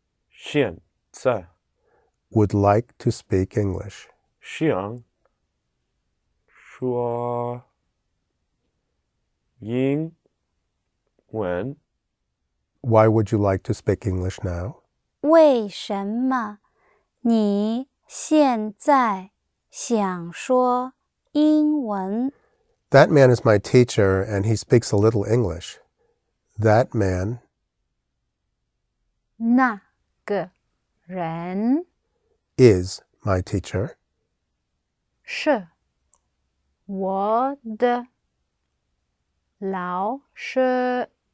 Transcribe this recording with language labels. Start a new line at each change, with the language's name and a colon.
Chinese: 现在,
English: would like to speak English.
Chinese: 想说英文。
English: Why would you like to speak English now?
Chinese: 为什么你现在想说英文?
English: That man is my teacher and he speaks a little English. That man...
Chinese: 那个人...
English: is my teacher.
Chinese: 是我的老师。